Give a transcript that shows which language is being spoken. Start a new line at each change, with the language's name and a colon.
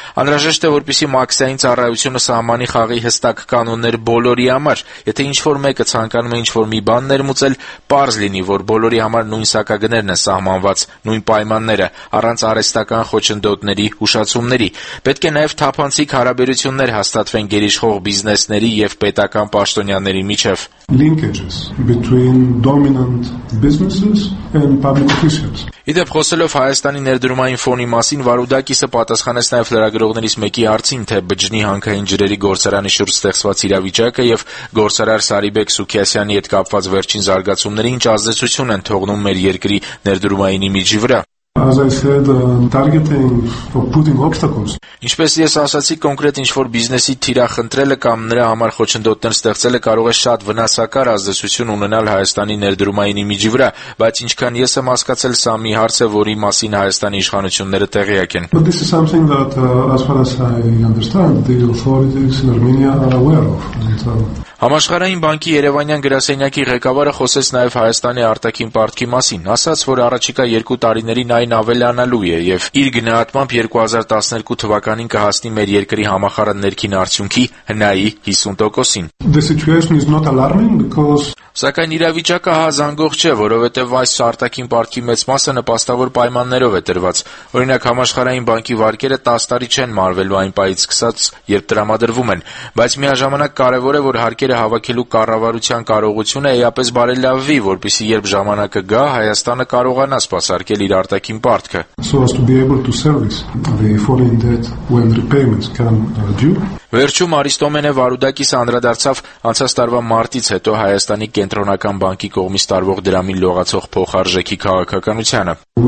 Armenian: Անհրաժեշտ է, որպեսի մաքսային ծառայությունը սահմանի խաղի հստակ կանոններ բոլորի համար, եթե ինչ-որ մեկը ցանկանում է ինչ-որ մի բան ներմուծել, պարզ լինի, որ բոլորի համար նույն սակագներն են սահմանված, նույն պայմանները, առանց արհեստական խոչընդոտների, ուշացումների։ Պետք է նաև թափանցիկ հարաբերություններ հաստատվեն գերիշխող բիզնեսների և պետական պաշտոնյաների միջև։
English: Linkages between dominant businesses and public officials.
Armenian: Իդեպ, խոսելով Հայաստանի ներդրումային ֆոնի մասին, Վարուդակիսը պատասխանեց նաև լրագրողներից մեկի հարցին, թե բջնի հանքային ջրերի գործարանի շուրջ ստեղծված իրավիճակը և գործարար Սարիբեկ Սուքիասյանի հետ կապված վերջին զարգացումները ինչ ազդեցություն են թողնում մեր երկրի ներդրումային իմիջի վրա։
English: As I said, targeting or putting obstacles.
Armenian: Ինչպես ես ասացի, կոնկրետ ինչ-որ բիզնեսի թիրախնդրելը կամ նրա համար խոչընդոտներ ստեղծելը կարող է շատ վնասակար ազդեցություն ունենալ Հայաստանի ներդրումային իմիջի վրա, բայց ինչքան ես եմ հասկացել, սա մի հարց է, որի մասին Հայաստանի իշխանությունները տեղյակ են.
English: But this is something that, as far as I understand, the authorities in Armenia are aware of.
Armenian: Համաշխարհային բանկի Երևանյան գրասենյակի ղեկավարը խոսեց նաև Հայաստանի արտաքին պարտքի մասին, ասաց, որ առաջիկա երկու տարիներին այն ավելանալու է և իր գնահատմամբ 2012 թվականին կհասնի մեր երկրի համախառն ներքին արդյունքի հնայի 50%-ին։
English: The situation is not alarming because
Armenian: Սակայն իրավիճակը հազանգող չէ, որովհետև այս արտաքին պարտքի մեծ մասը նպաստավոր պայմաններով է տրված։ Օրինակ, համաշխարհային բանկի վարկերը 10 տարի չեն մարվելու այն պահից սկսած, երբ տրամադրվում են, բայց միաժամանակ կարևոր է, որ հարկերը հավաքելու կառավարության կարողությունը էապես բարելավվի, որպեսզի երբ ժամանակը գա, Հայաստանը կարողանա սպասարկել իր արտաքին պարտքը։ Վերջում Արիստոմենը Վարուդակիսը անդրադարձավ անցած տարվա մարտից հետո Հայաստանի Կենտրոնական բանկի կողմից տարվող դրամի լողացող փոխարժեքի քաղաքականությանը։